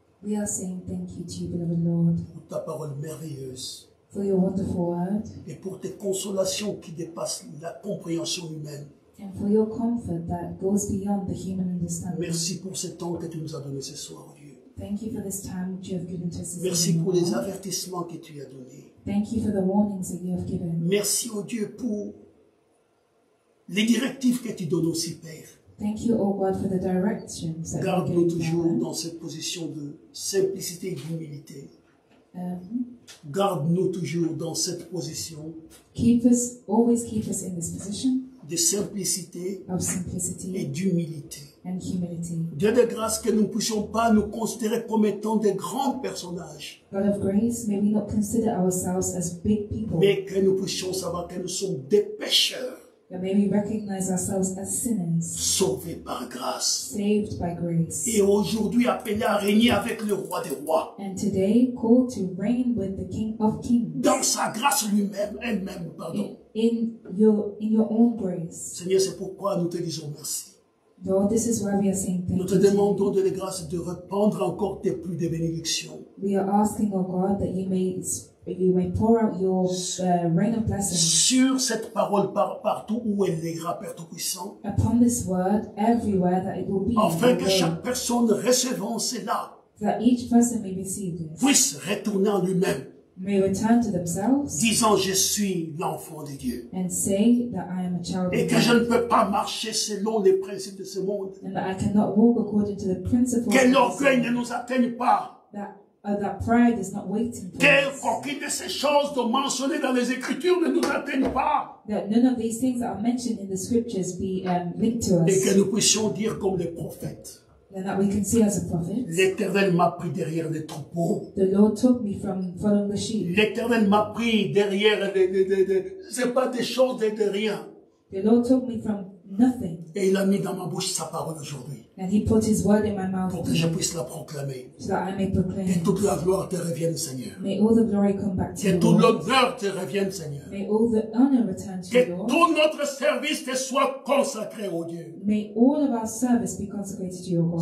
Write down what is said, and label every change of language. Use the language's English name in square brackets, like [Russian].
[English] We are saying thank you to you, beloved Lord. [French] Pour ta parole merveilleuse. [English] For your wonderful word. [French] Et pour tes consolations qui dépassent la compréhension humaine. [English] And for your comfort that goes beyond the human understanding. [French] Merci pour ce temps que tu nous as donné ce soir, Dieu. [English] Thank you for this time that you have given to us. [French] Merci pour les avertissements que tu as donnés. [English] Thank you for the warnings that you have given. [French] Merci, oh Dieu, pour les directives que tu donnes aussi, Père. [English] Thank you, O God, for the directions that [French] garde-nous toujours down. Dans cette position de simplicité et d'humilité. Garde-nous toujours dans cette position. [English] Keep us, always keep us in this position. [French] de simplicité, [English] of simplicity, [French] et d'humilité. [English] And humility. [French] Dieu de grâce, que nous ne puissions pas nous considérer comme étant des grands personnages. [English] God of grace, may we not consider ourselves as big people. [French] Mais que nous puissions savoir que nous sommes des pécheurs. [English] That may we recognize ourselves as sinners. [French] Sauvés par grâce. [English] Saved by grace. [French] Et aujourd'hui appelés à régner avec le roi des rois. [English] And today called to reign with the King of Kings. [French] Dans sa grâce lui-même, elle-même, pardon. [English] In your own grace. [French] Seigneur, c'est pourquoi nous te disons merci. [English] Lord, this is why we are saying thank you. [French] Nous te demandons de la grâce de répandre encore tes plus de bénédictions. [English] We are asking, oh God, that you may pour out your rain of blessings. [French] Sur cette parole partout où elle ira, Père Tout-Puissant. [English] Upon this word, everywhere that it will be. [French] Afin que chaque personne recevant cela. [English] That each person may receive this. [French] Puisse retourner en lui-même. [English] May return to themselves. [French] Disant, je suis l'enfant de Dieu. [English] And say that I am a child of God. [French] Et que je ne peux pas marcher selon les principes de ce monde. [English] And that I cannot walk according to the principles. [French] Que l'orgueil ne nous atteigne pas. [English] That pride is not waiting for [French] que aucune de ces choses de mentionnées dans les Écritures ne nous atteigne pas. [English] That none of these things that are mentioned in the Scriptures be linked to us. [French] Et que nous puissions dire comme les prophètes. [English] And that we can see as a prophet. [French] L'Éternel m'a pris derrière les troupeaux. [English] The Lord took me from following the sheep. [French] L'Éternel m'a pris derrière c'est pas des choses de rien. [English] The Lord took me from nothing. [French] Et il a mis dans ma bouche sa parole aujourd'hui. [English] And he put his word in my mouth. [French] Pour que je puisse la proclamer. [English] So that I may proclaim. [French] Et toute la gloire te revienne, Seigneur. [English] May all the glory come back to you. [French] Et toute l'honneur te revienne, Seigneur. [English] May all the honor return to you. [French] Et tout notre service te soit consacré, ô Dieu. [English] May all of our service be consecrated to your God.